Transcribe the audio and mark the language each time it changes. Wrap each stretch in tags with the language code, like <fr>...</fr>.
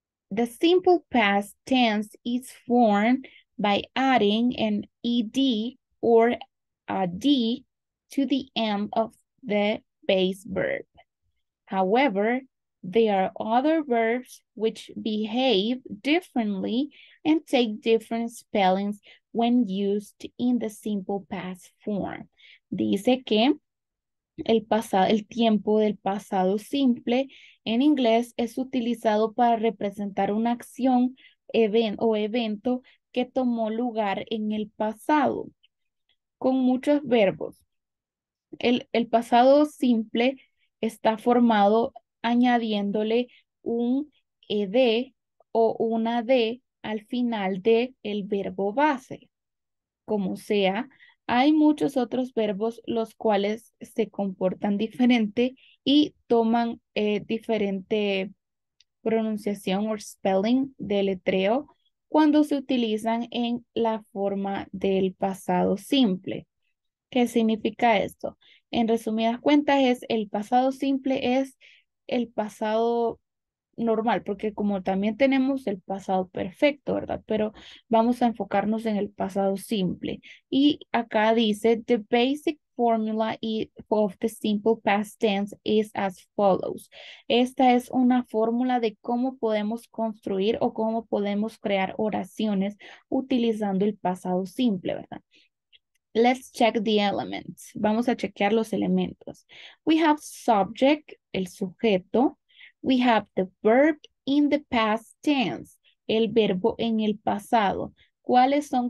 <en>The simple past tense is formed by adding an ed or a d to the end of the base verb. However, there are other verbs which behave differently and take different spellings when used in the simple past form.</en> <es>Dice que el tiempo del pasado simple en inglés es utilizado para representar una acción evento que tomó lugar en el pasado con muchos verbos. El pasado simple está formado añadiéndole un ed o una d al final del verbo base. Como sea, hay muchos otros verbos los cuales se comportan diferente y toman diferente pronunciación o spelling deletreo cuando se utilizan en la forma del pasado simple. ¿Qué significa esto? En resumidas cuentas, es el pasado simple es el pasado normal, porque como también tenemos el pasado perfecto, ¿verdad? Pero vamos a enfocarnos en el pasado simple. Y acá dice,</es> <en>the basic formula of the simple past tense is as follows.</en> <es>Esta es una fórmula de cómo podemos construir o cómo podemos crear oraciones utilizando el pasado simple, ¿verdad?</es> <en>Let's check the elements.</en> <es>Vamos a chequear los elementos.</es> <en>We have subject,</en> <es>el sujeto.</es> <en>We have the verb in the past tense,</en> <es>el verbo en el pasado. ¿Cuáles son?</es>